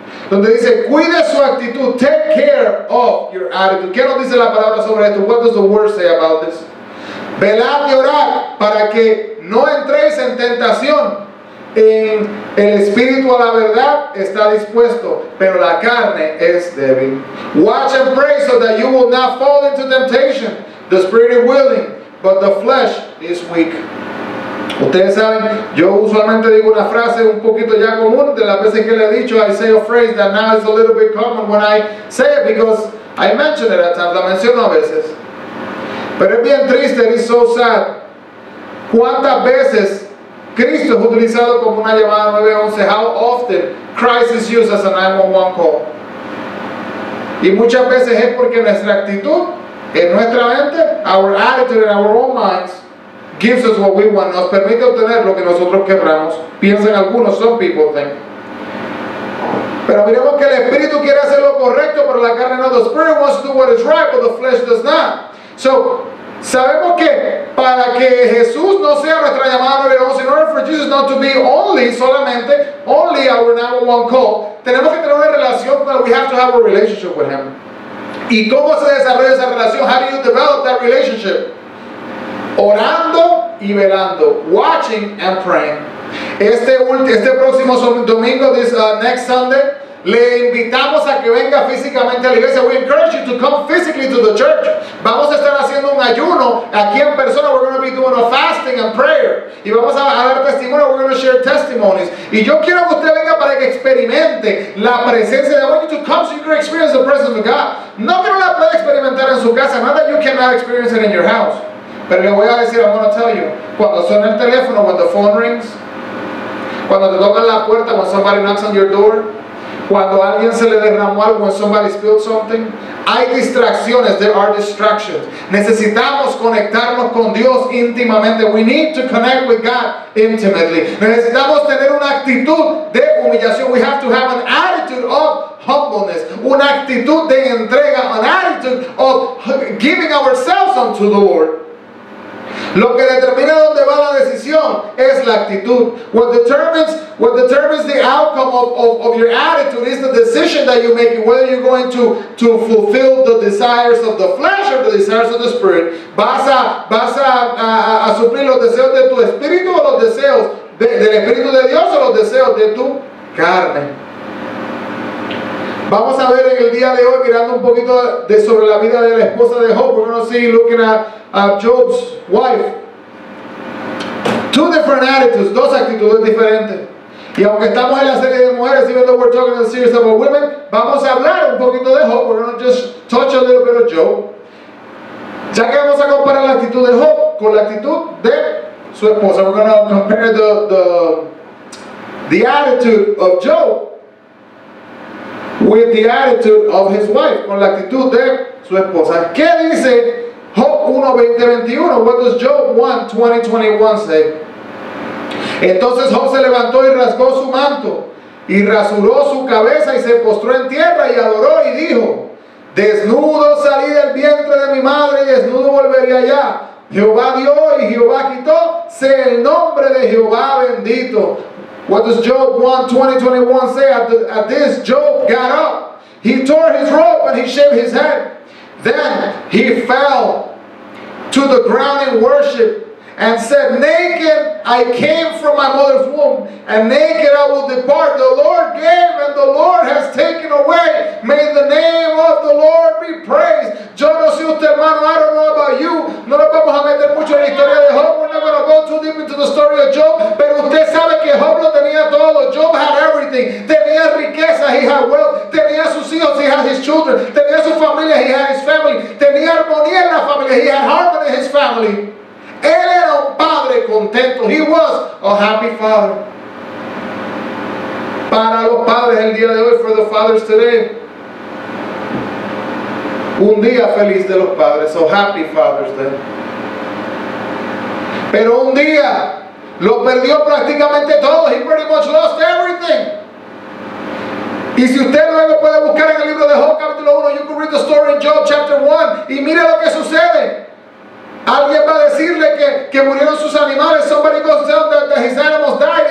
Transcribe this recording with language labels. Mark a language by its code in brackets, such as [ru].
[es] Donde dice, cuide su actitud, [en] take care of your attitude. [es] ¿Qué nos dice la palabra sobre esto? [en] What does the word say about this? [es] Velad y orad para que no entréis en tentación. En el espíritu a la verdad está dispuesto, pero la carne es débil. [en] Watch and pray so that you will not fall into temptation. The spirit is willing, but the flesh is weak. [es] Ustedes saben, yo usualmente digo una frase un poquito ya común, de las veces que le he dicho, [en] I say a phrase that now is a little bit common when I say it, because I mention it at times, [es] la menciono a veces. Pero es bien triste, [en] it is so sad. [es] ¿Cuántas veces Cristo es utilizado como una llamada 911? [en] How often Christ is used as a 911 call? [es] Y muchas veces es porque nuestra actitud, en nuestra mente, [en] our attitude in our own minds, gives us what we want, [es] nos permite obtener lo que nosotros quebramos, piensan algunos, [en] some people think. [es] Pero miremos que el Espíritu quiere hacer lo correcto, pero la carne no. [en] The Spirit wants to do what is right, but the flesh does not. So, [es] sabemos que para que Jesús no sea nuestra llamada 911, [en] in order for Jesus not to be only our 911 call, [es] tenemos que tener una relación, [en] but we have to have a relationship with Him. [es] ¿Y cómo se desarrolla esa relación? [en] How do you develop that relationship? [es] Orando y velando, [en] watching and praying. [es] Este próximo domingo, [en] next Sunday, [es] le invitamos a que venga físicamente a la iglesia. [en] We encourage you to come physically to the church. [es] Vamos a estar haciendo un ayuno aquí en persona. [en] We're going to be doing a fasting and prayer. [es] Y vamos a dar testimonio. [en] We're going to share testimonies. [es] Y yo quiero que usted venga para que experimente la presencia de Dios. [en] I want you to come so you can experience the presence of God. [es] No que no la pueda experimentar en su casa. [en] Not that you cannot experience it in your house. [es] Pero le voy a decir, [en] I'm going to tell you, [es] cuando suena el teléfono, [en] when the phone rings, [es] cuando te tocan la puerta, [en] when somebody knocks on your door, [es] cuando alguien se le derramó algo, [en] when somebody spilled something, [es] hay distracciones, [en] there are distractions. [es] Necesitamos conectarnos con Dios íntimamente. [en] We need to connect with God intimately. [es] Necesitamos tener una actitud de humillación. [en] We have to have an attitude of humbleness, [es] una actitud de entrega, [en] an attitude of giving ourselves unto the Lord. [es] Lo que determina dónde va la decisión es la actitud. [en] What determines the outcome of your attitude is the decision that you make, whether you're going to fulfill the desires of the flesh or the desires of the spirit. [es] ¿Vas a suplir los deseos de tu espíritu o los deseos del Espíritu de Dios o los deseos de tu carne? Vamos a ver en el día de hoy, mirando un poquito de sobre la vida de la esposa de Job. [en] We're going to see looking at Job's wife. Two different attitudes, [es] dos actitudes diferentes. Y aunque estamos en la serie de mujeres, [en] even though we're talking in the series about women, [es] vamos a hablar un poquito de Job. [en] We're going to just touch a little bit of Job. [es] Ya que vamos a comparar la actitud de Job con la actitud de su esposa. [en] We're going to compare the attitude of Job with the attitude of his wife, [es] con la actitud de su esposa. ¿Qué dice Job 1:20-21? [en] What does Job 1:20-21 say? [es] Entonces Job se levantó y rasgó su manto, y rasuró su cabeza, y se postró en tierra, y adoró, y dijo: desnudo salí del vientre de mi madre, y desnudo volveré allá. Jehová dio y Jehová quitó, sea el nombre de Jehová bendito. [en] What does Job 1:20-21 say? At this, Job got up. He tore his robe and he shaved his head. Then he fell to the ground in worship and said, naked I came from my mother's womb, and naked I will depart. The Lord gave and the Lord has taken away. May the name of the Lord be praised. [es] Yo no sé usted, hermano, [en] I don't know about you. [es] No nos vamos a meter mucho en la historia de Job. [en] We're not going to go too deep into the story of Job. [es] Pero usted sabe que Job lo tenía todo. [en] Job had everything. [es] Tenía riqueza, [en] he had wealth. [es] Tenía sus hijos, [en] he had his children. [es] Tenía su familia, [en] he had his family. [es] Tenía armonía en la familia, [en] he had harmony in his family. [es] Él era un padre contento. [en] He was a happy father. [es] Para los padres el día de hoy, [en] for the fathers today, [es] un día feliz de los padres, [en] so happy Father's Day. [es] Pero un día lo perdió prácticamente todo. [en] He pretty much lost everything. [es] Y si usted luego puede buscar en el libro de Job capítulo 1, [en] you can read the story in Job chapter 1, [es] y mire lo que sucede. Alguien va a decirle que murieron sus animales. [en] Somebody goes to tell that his animals died.